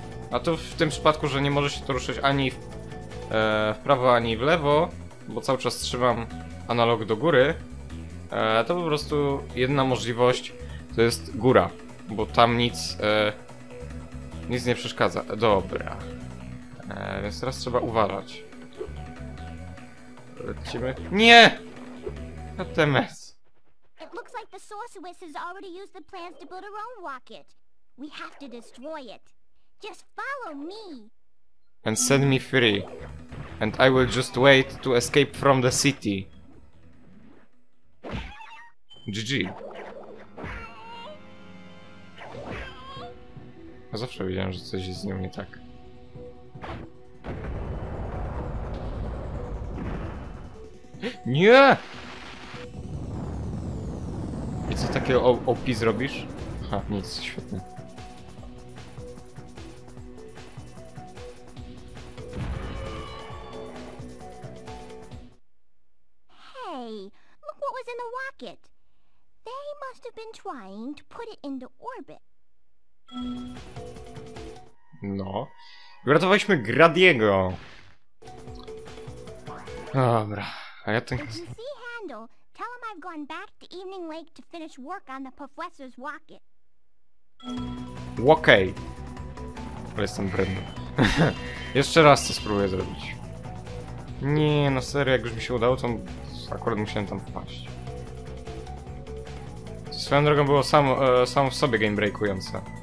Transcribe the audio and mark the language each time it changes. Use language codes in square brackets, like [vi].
[pl] A tu w tym przypadku, że nie może się to ruszyć ani w prawo, ani w lewo, bo cały czas trzymam analog do góry, to po prostu jedna możliwość to jest góra, bo tam nic nie przeszkadza. Dobra. Więc teraz trzeba uważać. Lecimy. Nie! Katemes. [en] It looks like the sorceress has already used the plans to build her own rocket. We have to destroy it. Just follow me. And send me free. and I will just wait to escape from the city. GG. [pl] A zawsze widziałem, że coś jest z nią nie tak. Nie! I co takie OP zrobisz? Ha, nic, świetnie. [en] Hey, look what was in the rocket. They must have been trying to put it into orbit. [pl] No. Uratowaliśmy Gradiego. Dobra. A ja ten... [en] If you see Handel, tell him I've gone back to Evening Lake to finish work on the professor's rocket. [pl] Okay. Ale jestem brudny. Jeszcze raz to spróbuję zrobić. Nie, no serio, jak już mi się udało, to akurat musiałem tam wpaść. Swoją drogą było samo w sobie gamebreakujące.